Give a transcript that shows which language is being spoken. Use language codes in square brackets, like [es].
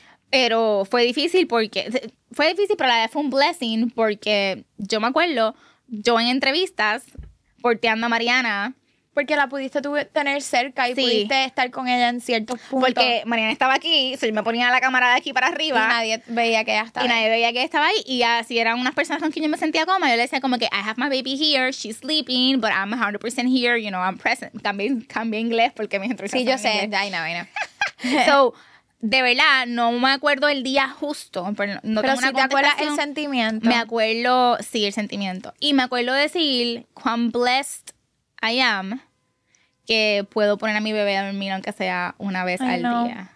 [es] Pero fue difícil porque... Fue difícil, pero la verdad fue un blessing porque yo me acuerdo, yo en entrevistas, porteando a Mariana... Porque la pudiste tener cerca y sí. pudiste estar con ella en ciertos puntos. Porque Mariana estaba aquí, si yo me ponía la cámara de aquí para arriba. Y nadie veía que ella estaba ahí. Nadie veía que estaba ahí. Y así eran unas personas con quien yo me sentía cómoda. Yo le decía como que, [en] I have my baby here, she's sleeping, but I'm 100% here, you know, I'm present. [es] Cambié inglés porque mis entrevistas. Sí, yo sé. [en] I know. [es] So, de verdad, no me acuerdo el día justo. Pero, no pero tengo si una te acuerdas el sentimiento. Me acuerdo, sí, el sentimiento. Y me acuerdo decir, cuán [en] blessed I am, [es] que puedo poner a mi bebé a dormir aunque sea una vez al día.